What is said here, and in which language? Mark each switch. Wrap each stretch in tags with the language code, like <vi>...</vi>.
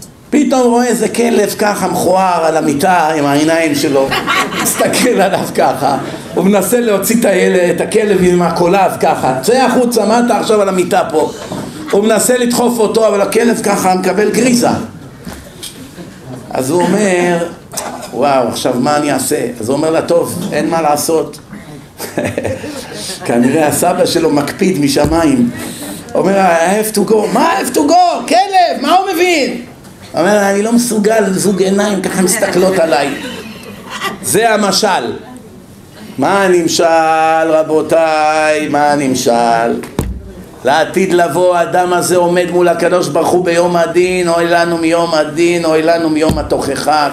<he>פתאום רואה איזה כלב ככה מכוער על המיטה עם העיניים שלו, מסתכל עליו ככה, הוא מנסה להוציא את הילד, את הכלב עם הקולב ככה, צא החוצה, מה אתה עכשיו על המיטה פה? הוא מנסה לדחוף אותו, אבל הכלב ככה מקבל גריזה. אז הוא אומר, וואו, עכשיו מה אני אעשה? אז הוא אומר לה, טוב, אין מה לעשות. כנראה הסבא שלו מקפיד משמיים.</he> <en>אומר, I have to go, מה I have to go?</en> <he>כלב, מה הוא מבין? אומר, אני לא מסוגל, זוג עיניים ככה מסתכלות עליי. זה המשל. מה נמשל, רבותיי, מה נמשל? לעתיד לבוא, האדם הזה עומד מול הקדוש ברוך הוא ביום הדין, אוי לנו מיום הדין, אוי לנו מיום התוכחה.</he>